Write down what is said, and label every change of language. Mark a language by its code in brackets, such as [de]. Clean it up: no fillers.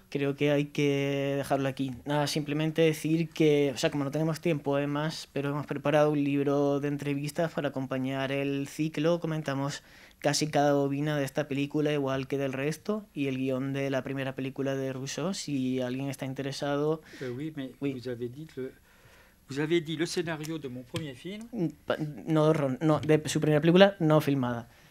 [es] Creo que hay que dejarlo aquí. Nada, simplemente decir que, o sea, como no tenemos tiempo además, pero hemos preparado un libro de entrevistas para acompañar el ciclo. Comentamos casi cada bobina de esta película, igual que del resto, y el guión de la primera película de Rousseau, si alguien está interesado. [fr] Oui, mais oui. Vous avez dit le scénario de mon premier film. [es] No, Ron, no, de su primera película no filmada.